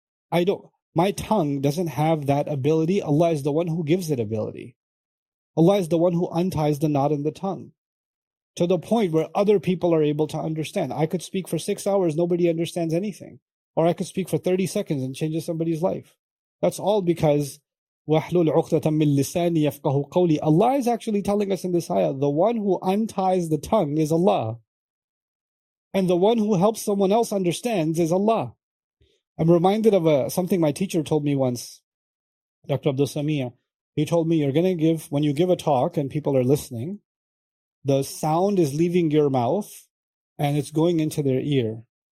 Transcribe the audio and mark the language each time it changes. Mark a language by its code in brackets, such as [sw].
[en] I don't, my tongue doesn't have that ability. Allah is the one who gives it ability. Allah is the one who unties the knot in the tongue to the point where other people are able to understand. I could speak for 6 hours, nobody understands anything. Or I could speak for 30 seconds and change somebody's life. That's all because [ar] وَحْلُوا الْعُقْدَةً مِنْ لِسَانِ يَفْقَهُ قَوْلِي. [en] Allah is actually telling us in this ayah, the one who unties the tongue is Allah. And the one who helps someone else understands is Allah. I'm reminded of something my teacher told me once, Dr. Abdul Samia. He told me, you're going to give, when you give a talk and people are listening, the sound is leaving your mouth and it's going into their ear.